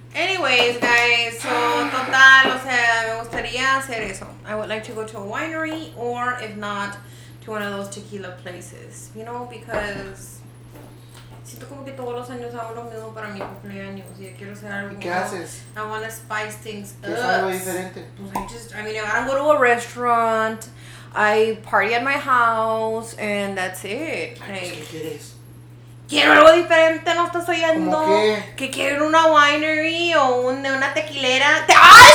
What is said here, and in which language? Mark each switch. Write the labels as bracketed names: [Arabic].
[Spanish] Anyways, guys, so total, o sea, me gustaría hacer eso. [English] I would like to go to a winery or, if not, to one of those tequila places. You know, because... [Spanish] Siento como que todos los años hago lo mismo para mi cumpleaños. Y quiero hacer algo. ¿Qué haces? [English] I want to spice things up. [Spanish] ¿Qué es algo diferente? [English] Pues, I mean, I go to a restaurant, I party at my house, and that's it. [Spanish] ¿Qué quieres? Quiero algo diferente, no estás oyendo. ¿Cómo qué? Que quiero una winery o una tequilera. ¡Ah!